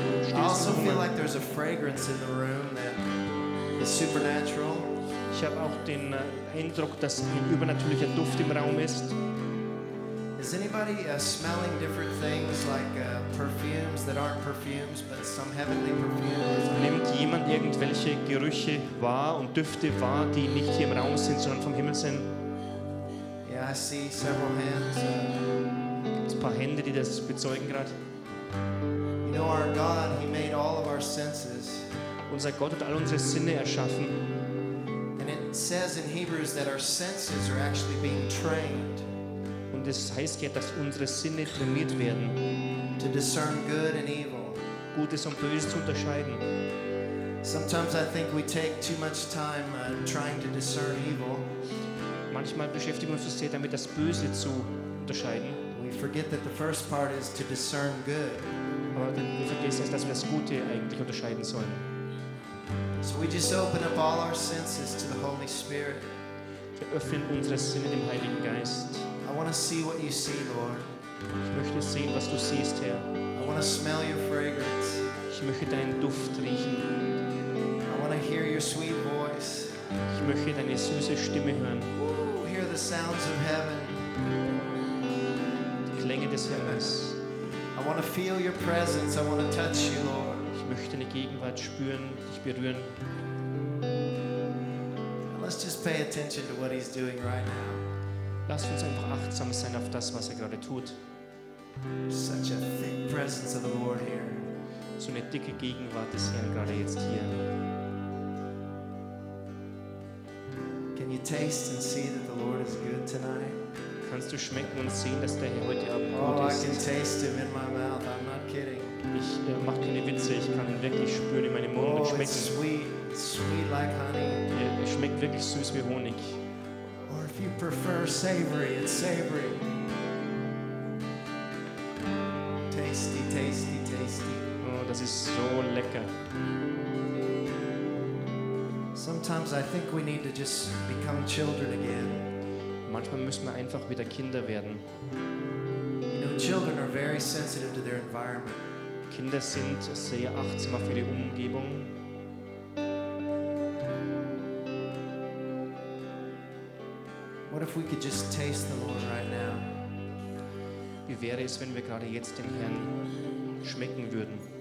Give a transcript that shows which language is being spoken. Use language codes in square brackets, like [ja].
[en] I also feel like there's a fragrance in the room that is supernatural. [de] Ich habe auch den Eindruck, dass ein übernatürlicher Duft im Raum ist. [en] Is anybody smelling different things like perfumes that aren't perfumes, but some heavenly perfumes? [de] Nimmt jemand irgendwelche Gerüche wahr und Düfte wahr, die nicht hier im Raum sind, sondern vom Himmel sind? [en] Yeah, I see several hands. [de] Ein paar Hände, die das bezeugen gerade. [en] You know, our God, He made all of our senses. [de] Unser Gott hat all unsere Sinne erschaffen. [en] And it says in Hebrews that our senses are actually being trained. [de] Und es heißt ja, dass unsere Sinne trainiert werden. [en] To discern good and evil. [de] Gutes und Böses zu unterscheiden. [en] Sometimes I think we take too much time trying to discern evil. [de] Manchmal beschäftigen wir uns sehr damit, das Böse zu unterscheiden. [en] We forget that the first part is to discern good. [de] Wir vergessen, dass wir das Gute eigentlich unterscheiden sollen. [en] So we just open up all our senses to the Holy Spirit. [de] Wir öffnen unsere Sinne dem Heiligen Geist. [en] I want to see what you see, Lord. [de] Ich möchte sehen, was du siehst, Herr. [en] I want to smell your fragrance. [de] Ich möchte deinen Duft riechen. [en] I want to hear your sweet voice. [de] Ich möchte deine süße Stimme hören. [en] Ooh, hear the sounds of heaven. [de] Die Klänge des Himmels. [en] I want to feel your presence. I want to touch you, Lord. [de] Ich möchte deine Gegenwart spüren, dich berühren. [en] Let's just pay attention to what he's doing right now. [de] Lass uns einfach achtsam sein auf das, was gerade tut. [en] Such a thick presence of the Lord here. [de] So eine dicke Gegenwart des Herrn gerade jetzt hier. [en] Can you taste and see that the Lord is good tonight? [de] Kannst du schmecken und sehen, dass der Herr heute Abend gut ist? [en] Oh, I can taste him in my mouth. I'm not kidding. [de] Ich mach keine Witze. Ich kann ihn wirklich spüren in meinem Mund und schmecken. [en] Oh, it's sweet. It's sweet like honey. [de] Er schmeckt wirklich süß wie Honig. [en] Or if you prefer savory, it's savory. Tasty, tasty, tasty. [de] Oh, das ist so lecker. [en] Sometimes I think we need to just become children again. [de] Manchmal müssen wir einfach wieder Kinder werden. [en] You know, children are very sensitive to their environment. [de] Kinder sind sehr achtsam für ihre Umgebung. [en] What if we could just taste the Lord right now? [de] Wie wäre es, wenn wir gerade jetzt den Herrn schmecken würden?